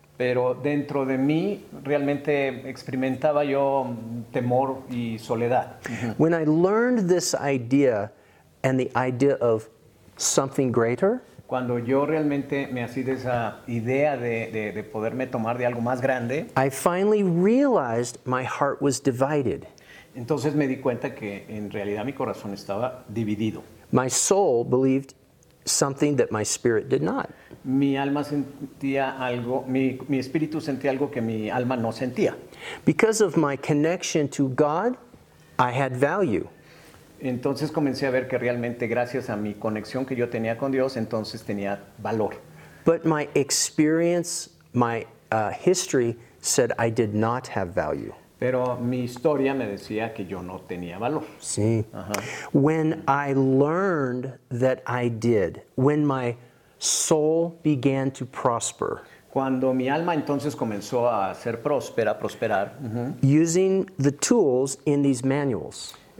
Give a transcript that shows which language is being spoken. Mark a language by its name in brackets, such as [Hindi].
[Spanish] Pero dentro de mí realmente experimentaba yo temor y soledad. Uh-huh. [English] When I learned this idea and the idea of something greater, [Spanish] cuando yo realmente me hací de esa idea de poderme tomar de algo más grande, [English] I finally realized my heart was divided. [Spanish] Entonces me di cuenta que en realidad mi corazón estaba dividido. [English] My soul believed something that my spirit did not. [Spanish] Mi alma sentía algo, mi espíritu sentía algo que mi alma no sentía. [English] Because of my connection to God, I had value. [Spanish] Entonces comencé a ver que realmente gracias a mi conexión que yo tenía con Dios, entonces tenía valor. [English] But my experience, my history said I did not have value. [Spanish] Pero mi historia me decía que yo no tenía valor. Sí. Uh-huh. [English] When I learned that I did, when my soul began to prosper. [Spanish] Cuando mi alma entonces comenzó a ser próspera, prosperar. Uh-huh. [English] Using the tools in these manuals.